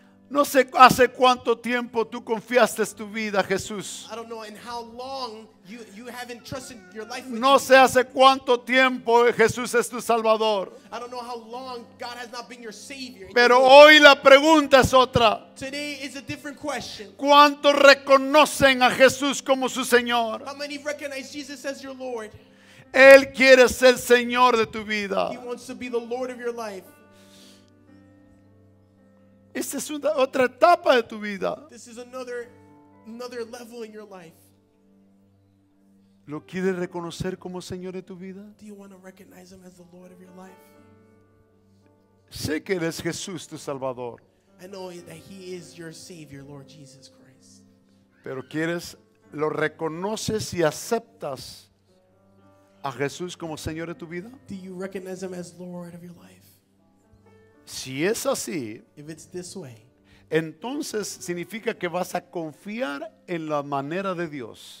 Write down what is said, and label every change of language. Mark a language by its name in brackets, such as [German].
[Spanish] No sé hace cuánto tiempo tú confiaste tu vida a Jesús. [English] I don't know in how long you have entrusted your life with [Spanish] No [English] you. [Spanish] Sé hace cuánto tiempo Jesús es tu Salvador. [English] I don't know how long God has not been your Savior. [Spanish] Pero hoy la pregunta es otra. [English] Today is a different question. [Spanish] ¿Cuántos reconocen a Jesús como su Señor? [English] How many recognize Jesus as your Lord? [Spanish] Él quiere ser Señor de tu vida. [English] He wants to be the Lord of your life. [Spanish] Esta es otra etapa de tu vida. [English] This is another level in your life. [Spanish] ¿Lo quieres reconocer como Señor de tu vida? [English] Do you want to recognize him as the Lord of your life? [Spanish] Sé que eres Jesús tu Salvador. [English] I know that he is your Savior, Lord Jesus Christ. [Spanish] Pero quieres, lo reconoces y aceptas a Jesús como Señor de tu vida? [English] Do you recognize him as Lord of your life? [Spanish] Si es así, [English] if it's this way, [Spanish] entonces significa que vas a confiar en la manera de Dios.